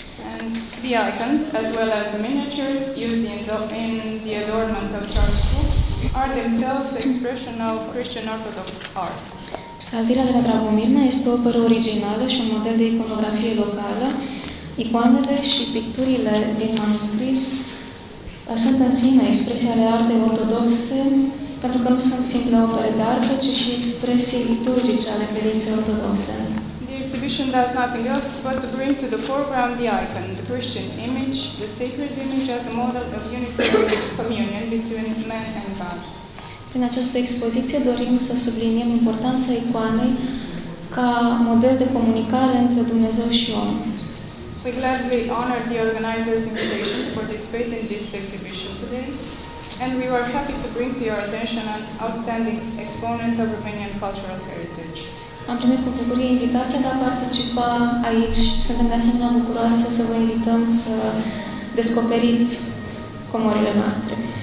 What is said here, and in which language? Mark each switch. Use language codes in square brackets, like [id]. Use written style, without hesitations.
[en] And the icons, as well as the miniatures used in the adornment of church books, are themselves the expression of Christian Orthodox art. [ro] Psaltirea de la Dragomirna este o operă originală și un model de iconografie locală. Icoanele și picturile din manuscris sunt în sine expresia de arte ortodoxe, pentru că nu sunt simple opere de artă, ci și expresii liturgice ale credinței ortodoxe. [en] The exhibition does nothing else but to bring to the foreground the icon, the Christian image, the sacred image as a model of unity and communion between man and God. [ro] Prin această expoziție dorim să subliniem importanța icoanei ca model de comunicare între Dumnezeu și om. [en] We gladly honor the organizers' invitation to participate in this exhibition today. And we are happy to bring to your attention an outstanding exponent of Romanian cultural heritage. [ro] Am primit cu bucurie invitația de a participa aici. Suntem de asemenea bucuroase să vă invităm să descoperiți comorile noastre.